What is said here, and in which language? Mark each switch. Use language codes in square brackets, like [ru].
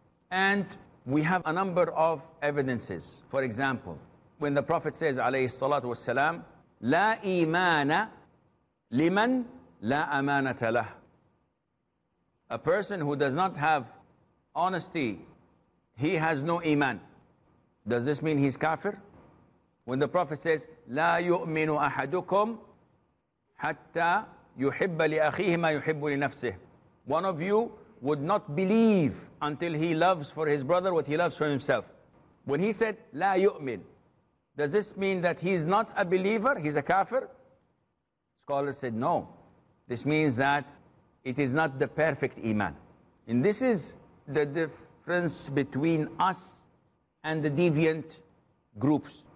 [en] And we have a number of evidences. For example, when the Prophet says, alayhi salatu wasalam, [ar] لا إيمان لمن لا أمانة له. [en] A person who does not have honesty, he has no iman. Does this mean he's kafir? When the Prophet says, [ar] لا يؤمن أحدكم حتى يحب لأخيه ما يحب لنفسه. [en] One of you would not believe until he loves for his brother what he loves for himself. When he said, [ar] لا يؤمن, [en] does this mean that he's not a believer, he's a kafir? Scholars said, no. This means that it is not the perfect iman. And this is the difference between us and the deviant groups.